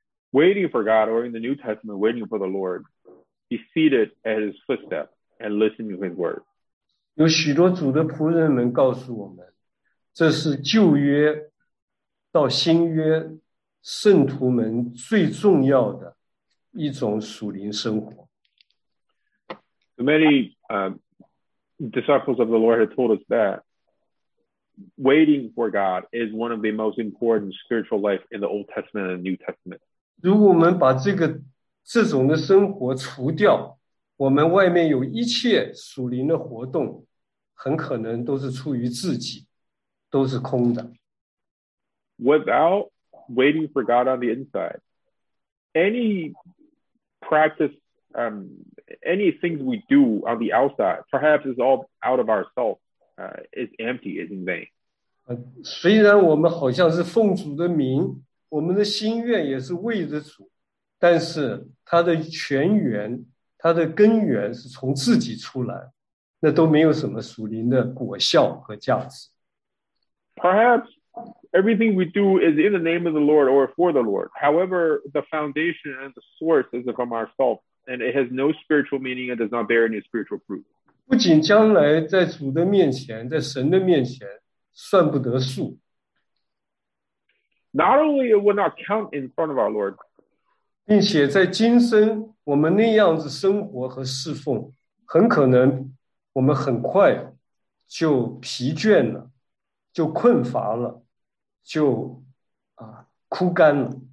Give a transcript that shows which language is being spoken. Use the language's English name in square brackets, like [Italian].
[English] Waiting for God, or in the New Testament, waiting for the Lord, be seated at his footstep and listen to his word. [Chinese] 有许多主的仆人们告诉我们，这是旧约到新约圣徒们最重要的一种属灵生活。 [English] Many disciples of the Lord have told us that waiting for God is one of the most important spiritual life in the Old Testament and New Testament. [Chinese] 如果我们把这种的生活除掉，我们外面有一切属灵的活动，很可能都是出于自己，都是空的。 [English] Without waiting for God on the inside, any practice, any things we do on the outside, perhaps is all out of ourselves, is empty, is in vain. [Chinese] 虽然我们好像是奉主的名。我们的心愿也是为着主，但是它的泉源、它的根源是从自己出来，那都没有什么属灵的果效和价值。 [English] Perhaps everything we do is in the name of the Lord or for the Lord. However, the foundation and the source is from ourselves, and it has no spiritual meaning and does not bear any spiritual fruit. [Chinese] 不仅将来在主的面前、在神的面前算不得数。 [English] Not only it will not count in front of our Lord, [Chinese] 并且在今生我们那样子生活和侍奉，很可能我们很快就疲倦了，就困乏了，就枯干了。